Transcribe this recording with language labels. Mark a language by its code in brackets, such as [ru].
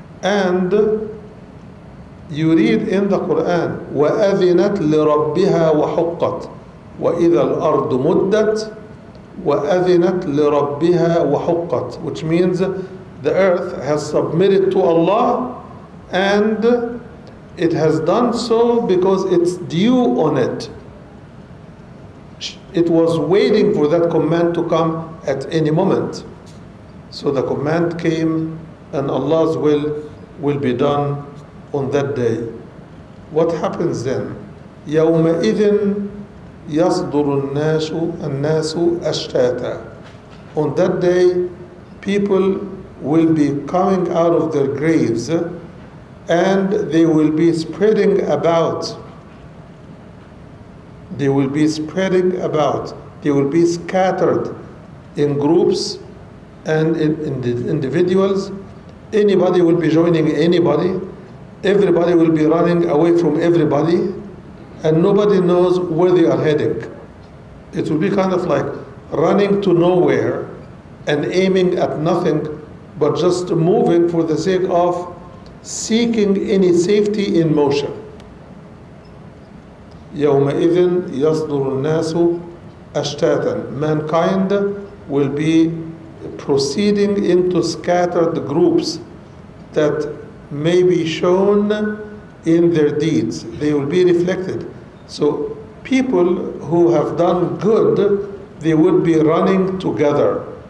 [en] And you read in the Quran, [ar] وَأَذِنَتْ لِرَبِّهَا وَحُقَّتْ وَإِذَا الْأَرْضُ مُدَّتْ وَأَذِنَتْ لِرَبِّهَا وَحُقَّتْ, [en] which means the earth has submitted to Allah and it has done so because it's due on it. It was waiting for that command to come at any moment. So the command came and Allah's will be done on that day. What happens then? [ar] يَوْمَئِذٍ يَصْدُرُ النَّاسُ أَشْتَاتًا. [en] On that day, people will be coming out of their graves and they will be spreading about. They will be spreading about. They will be scattered in groups and in the individuals. Anybody will be joining anybody. Everybody will be running away from everybody, and nobody knows where they are heading. It will be kind of like running to nowhere and aiming at nothing, but just moving for the sake of seeking any safety in motion. [ar] يَوْمَئِذٍ يَصْدُرُ النَّاسُ أَشْتَاتًا. [en] Mankind will be proceeding into scattered groups that may be shown in their deeds. They will be reflected. So people who have done good, they will be running together.